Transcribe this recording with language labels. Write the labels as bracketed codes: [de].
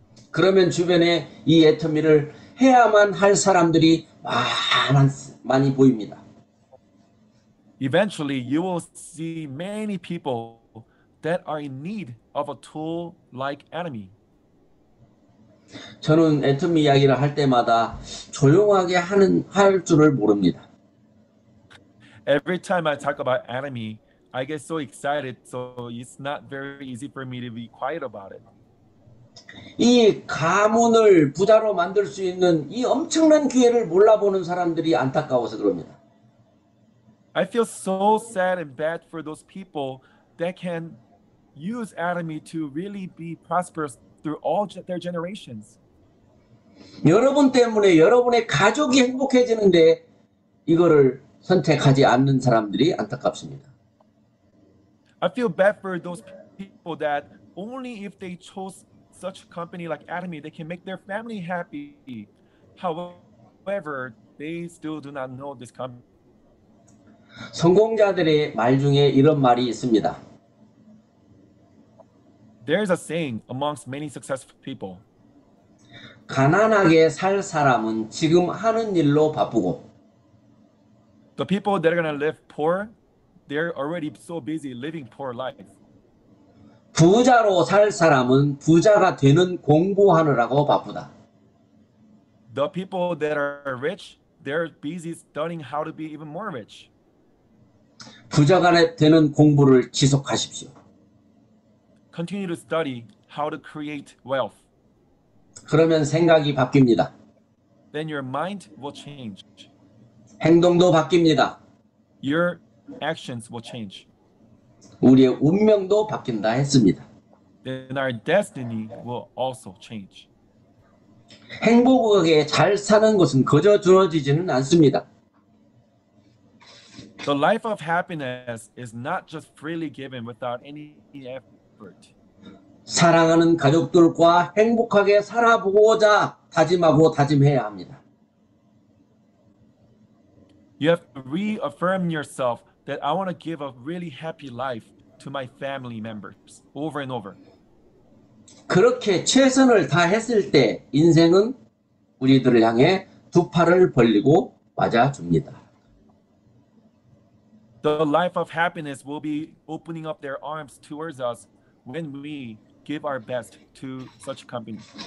[ko] 그러면 주변에 이 애터미를 해야만 할 사람들이 많이 보입니다. [en] Eventually, you will see many people that are in need of a tool like atomy. [ko] 저는 애터미 이야기를 할 때마다 조용하게 할 줄을 모릅니다. [en] Every time I talk about atomy, I get so excited, so it's not very easy for me to be quiet about it. [ko] 이 가문을 부자로 만들 수 있는 이 엄청난 기회를 몰라보는 사람들이 안타까워서 그럽니다. [en] I feel so sad and bad for those people that can use atomy to really be prosperous through all their generations. [ko] 여러분 때문에 여러분의 가족이 행복해지는데 이거를 선택하지 않는 사람들이 안타깝습니다. [en] I feel bad for those people that only if they chose such a company like atomy, they can make their family happy. However, they still do not know this company. [ko] 성공자들의 말 중에 이런 말이 있습니다. [en] There is a saying amongst many successful people. [ko] 가난하게 살 사람은 지금 하는 일로 바쁘고. [en] The people that are going to live poor, they're already so busy living poor life. [ko] 부자로 살 사람은 부자가 되는 공부하느라고 바쁘다. [en] The people that are rich, they're busy studying how to be even more rich. [ko] 부자가 되는 공부를 지속하십시오. [en] Continue to study how to create wealth. [ko] 그러면 생각이 바뀝니다. [en] Then your mind will change. [ko] 행동도 바뀝니다. [en] Your actions will change. [ko] 우리의 운명도 바뀐다 했습니다. [en] Then our destiny will also change. [ko] 행복하게 잘 사는 것은 거저 주어지지는 않습니다. [en] The life of happiness is not just freely given without any effort. [ko] 사랑하는 가족들과 행복하게 살아보고자 다짐하고 다짐해야 합니다. [en] You have to reaffirm yourself that I want to give a really happy life to my family members over and over. [ko] 그렇게 최선을 다했을 때 인생은 우리들을 향해 두 팔을 벌리고 맞아줍니다. [en] The life of happiness will be opening up their arms towards us when we give our best to such company.